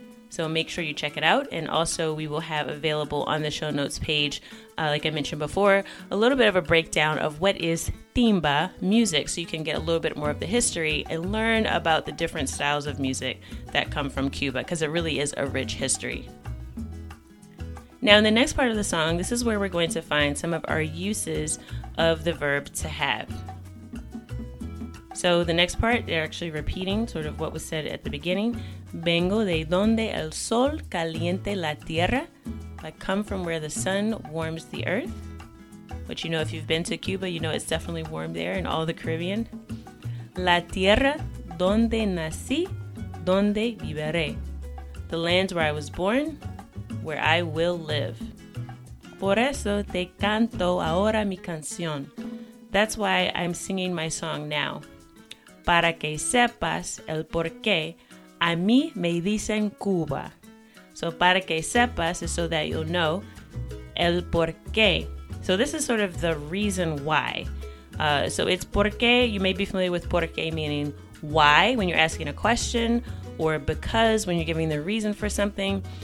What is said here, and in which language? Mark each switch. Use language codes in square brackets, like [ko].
[en] So make sure you check it out, and also we will have available on the show notes page, like I mentioned before, a little bit of a breakdown of what is timba music, so you can get a little bit more of the history and learn about the different styles of music that come from Cuba, because it really is a rich history. Now, in the next part of the song, this is where we're going to find some of our uses of the verb to have. So the next part, they're actually repeating sort of what was said at the beginning. [es] Vengo de donde el sol caliente la tierra. [en] I come from where the sun warms the earth. Which, you know, if you've been to Cuba, you know it's definitely warm there and all the Caribbean. [es] La tierra donde nací, donde viviré. [en] The land where I was born, where I will live. [es] Por eso te canto ahora mi canción. [en] That's why I'm singing my song now. [es] Para que sepas el porqué, a mí me dicen Cuba. [en] So [es] para que sepas [en] is so that you'll know. [es] El porqué. [en] So this is sort of the reason why. So it's porqué. You may be familiar with porqué meaning why when you're asking a question, or because when you're giving the reason for something.